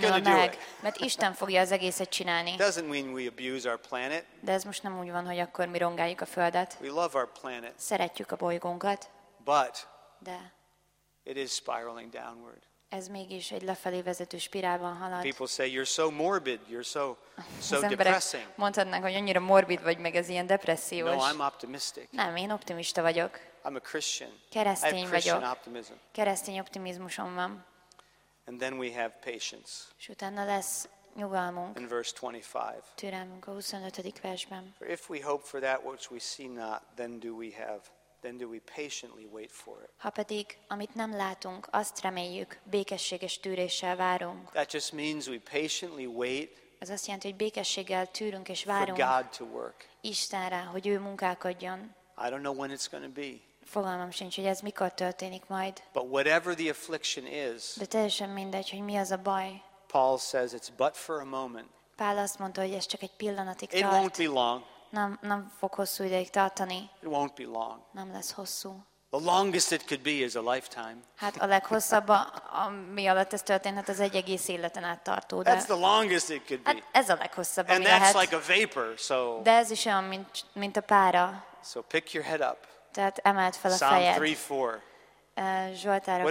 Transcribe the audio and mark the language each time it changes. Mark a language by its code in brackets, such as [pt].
[en] going to do it. [hu] Mert Isten fogja az egészet csinálni. [en] Doesn't mean we abuse our planet. [hu] De ez most nem úgy van, hogy akkor mi rongáljuk a földet. [en] We love our planet. [hu] Szeretjük a bolygónkat. [en] But [hu] de [en] it is spiraling downward. [hu] Ez mégis egy lefelé vezető spirálban halad. [en] People say you're so morbid, you're so depressing. [hu] Mondhatnánk, hogy annyira morbid vagy, meg ez ilyen depressziós. [en] No, I'm optimistic. [hu] Nem, én optimista vagyok. [en] I'm a Christian. [hu] Keresztény vagyok. [en] Optimism. [hu] Keresztény optimizmusom van. [en] And then we have patience. [hu] És utána lesz nyugalmunk. [en] In verse 25. [hu] Türelmünk a 25. versben. [en] For if we hope for that which we see not, then do we patiently wait for it. [hu] Ha pedig, amit nem látunk, azt reméljük, békességes tűréssel várunk. [en] That just means we patiently wait. [hu] Ez azt jelenti, hogy békességgel tűrünk és várunk. [en] For God to work. [hu] Istenre, hogy ő munkálkodjon. [en] I don't know when it's going to be. [hu] Fogalmam sincs, hogy ez mikor történik majd. [en] But whatever the affliction is, [hu] de teljesen mindegy, hogy mi az a baj. [en] Paul says it's but for a moment. [hu] Pál azt mondta, hogy ez csak egy pillanatig tart. [en] It won't be long. [hu] Nem fog hosszú ideig tartani. [en] It won't be long. [hu] Nem lesz hosszú. [en] The longest it could be is a lifetime. [hu] Hát a leghosszabb, ami alatt ez történhet, az egy egész életen át tartó. [en] That's the longest it could be. [hu] Hát ez a leghosszabb, [en] And [hu] ami [en] that's [hu] lehet. [en] Like a vapor, so. [hu] De ez is olyan, mint a pára. [en] So pick your head up. [hu] Tehát emeld fel a [en] Psalm [hu] fejed. 3:4. Zsoltárok